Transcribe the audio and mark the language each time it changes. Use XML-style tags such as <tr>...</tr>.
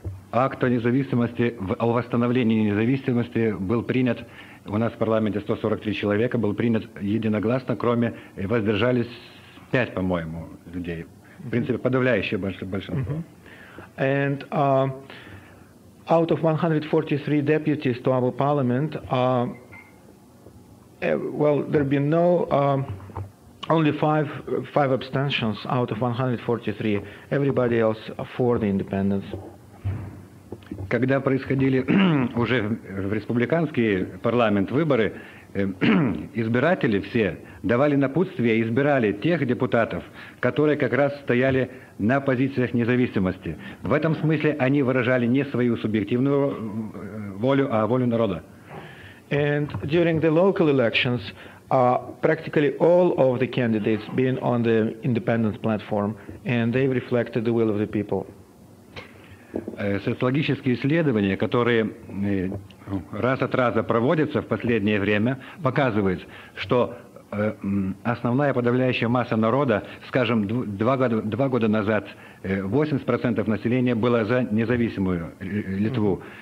<ru>Акт о независимости, о восстановлении независимости был принят у нас в парламенте 143 человека, был принят единогласно, кроме воздержались 5, по-моему, людей. В принципе, подавляющее большинство.</ru> <en>And out of 143 deputies to our parliament, there have been no, only five abstentions out of 143. Everybody else for the independence.</en> <ru>Когда происходили уже в республиканский парламент выборы, избиратели все давали напутствие, избирали тех депутатов, которые как раз стояли на позициях независимости. В этом смысле они выражали не свою субъективную волю, а волю народа.</ru> <en>And during the local elections, practically all of the candidates been on the independence platform, and they reflected the will of the people.</en> <ru>Социологические исследования, которые раз от раза проводятся в последнее время, показывают, что основная подавляющая масса народа, скажем, два года назад 80% населения было за независимую Литву.</ru>